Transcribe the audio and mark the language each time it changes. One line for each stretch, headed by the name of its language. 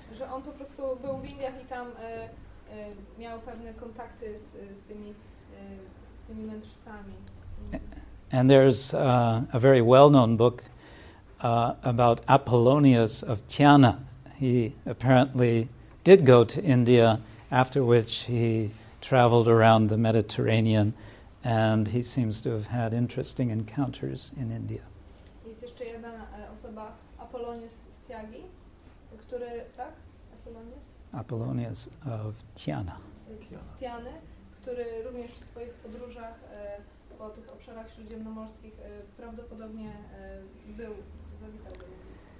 Polish: Że on po prostu był w Indiach i tam miał pewne kontakty z tymi mędrcami.
English: And there's a very well-known book about Apollonius of Tyana. He apparently did go to India, after which he traveled around the Mediterranean. And he seems to have had interesting encounters in India.
Polish: Jest jeszcze jedna osoba, Apollonius z Tiagi, który, tak?
English: Apollonius? Apollonius of Tyana.
Polish: Z Tyany, który również w swoich podróżach po tych obszarach śródziemnomorskich prawdopodobnie był, zawitał do Indii.